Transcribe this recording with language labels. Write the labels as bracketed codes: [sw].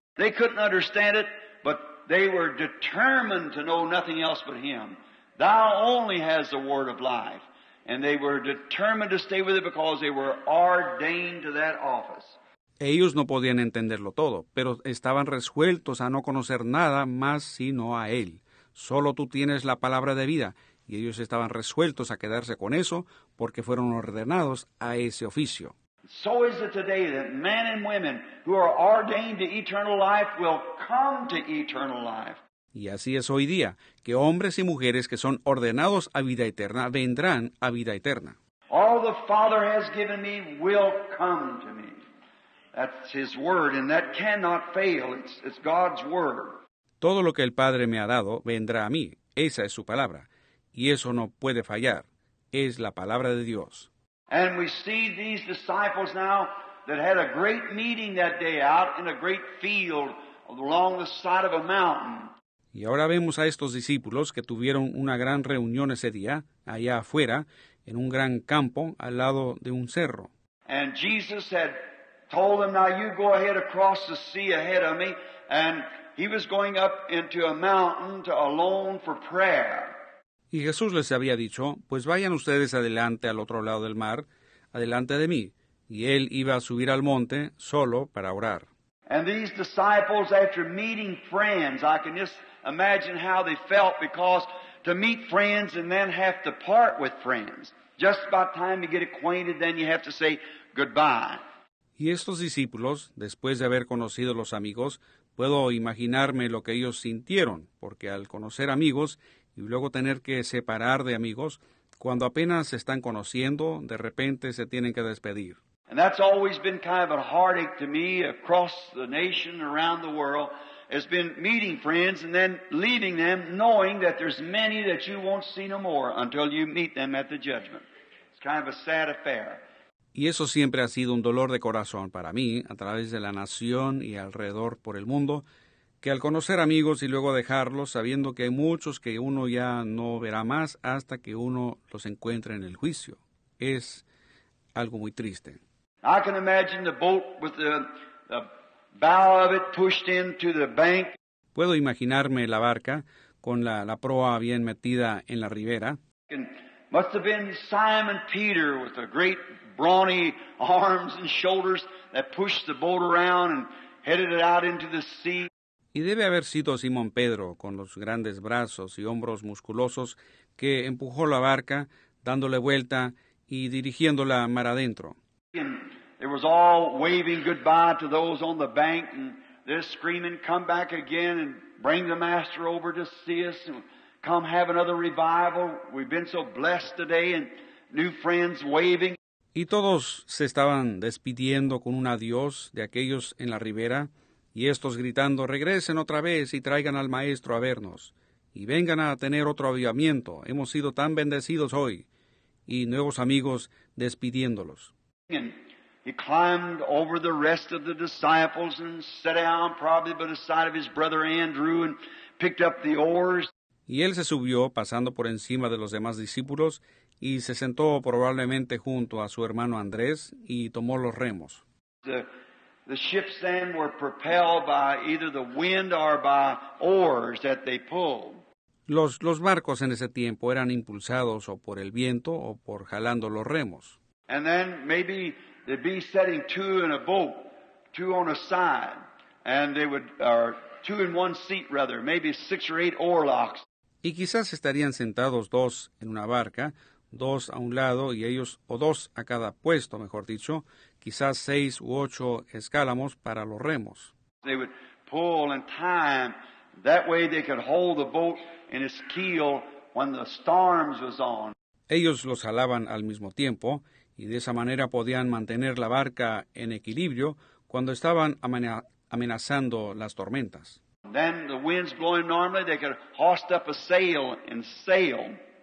[en] They couldn't understand it, but they were determined to know nothing else but Him. Thou only has the word of life. And they were determined to stay with it because they were ordained to that office. [es] Ellos no podían entenderlo todo, pero estaban resueltos a no conocer nada más sino a Él. Solo tú tienes la palabra de vida. Y ellos estaban resueltos a quedarse con eso porque fueron ordenados a ese oficio. [en] So is it today that men and women who are ordained to eternal life will come to eternal life. [es] Y así es hoy día, que hombres y mujeres que son ordenados a vida eterna vendrán a vida eterna. [en] All the Father has given me will come to me. That's His word, and that cannot fail. It's God's word. [es] Todo lo que el Padre me ha dado vendrá a mí. Esa es su palabra. Y eso no puede fallar. Es la palabra de Dios. [en] And we see these disciples now that had a great meeting that day out in a great field along the side of a mountain. [es] Y ahora vemos a estos discípulos que tuvieron una gran reunión ese día, allá afuera, en un gran campo al lado de un cerro. [en] And Jesus had told them, now you go ahead across the sea ahead of me. And he was going up into a mountain to alone for prayer. [es] Y Jesús les había dicho, pues vayan ustedes adelante al otro lado del mar, adelante de mí. Y él iba a subir al monte solo para orar. [en] And these disciples, after meeting friends, I can just imagine how they felt, because to meet friends and then have to part with friends. Just about time to get acquainted, then you have to say goodbye. [es] Y estos discípulos, después de haber conocido los amigos, puedo imaginarme lo que ellos sintieron, porque al conocer amigos y luego tener que separar de amigos, cuando apenas se están conociendo, de repente se tienen que despedir. [en] And that's always been kind of a heartache to me across the nation, around the world, has been meeting friends and then leaving them, knowing that there's many that you won't see no more until you meet them at the judgment. It's kind of a sad affair. [es] Y eso siempre ha sido un dolor de corazón para mí, a través de la nación y alrededor por el mundo, que al conocer amigos y luego dejarlos, sabiendo que hay muchos que uno ya no verá más hasta que uno los encuentre en el juicio, es algo muy triste. [en] I can imagine the boat with the bow of it pushed into the bank. [es] Puedo imaginarme la barca con la proa bien metida en la ribera. [en] And must have been Simon Peter with the great brawny arms and shoulders that pushed the boat around and headed it out into the sea. [es] Y debe haber sido Simón Pedro, con los grandes brazos y hombros musculosos, que empujó la barca, dándole vuelta y dirigiéndola mar adentro. [en] It was all waving goodbye to those on the bank, and they're screaming, come back again and bring the master over to see us, and come have another revival. We've been so blessed today, and new friends waving. [es] Y todos se estaban despidiendo con un adiós de aquellos en la ribera, y estos gritando, regresen otra vez y traigan al maestro a vernos, y vengan a tener otro avivamiento. Hemos sido tan bendecidos hoy. Y nuevos amigos despidiéndolos. [en] And he climbed over the rest of the disciples and sat down probably by the side of his brother Andrew and picked up the oars. [es] Y él se subió pasando por encima de los demás discípulos y se sentó probablemente junto a su hermano Andrés y tomó los remos. [en] The ships then were propelled by either the wind or by oars that they pulled. [es] Los barcos en ese tiempo eran impulsados o por el viento o por jalando los remos. [en] And then maybe there'd be setting two in a boat, two on a side, and they would, or two in one seat rather, maybe six or eight oarlocks. [es] Y quizás estarían sentados dos en una barca, dos a un lado y ellos, o dos a cada puesto, mejor dicho, quizás seis u ocho escálamos para los remos. [en] They would pull and time, that way they could hold the boat in its keel when the storms was on. [es] Ellos los jalaban al mismo tiempo, y de esa manera podían mantener la barca en equilibrio cuando estaban amenazando las tormentas. [en] Then the wind's blowing normally, they could hoist up a sail and sail.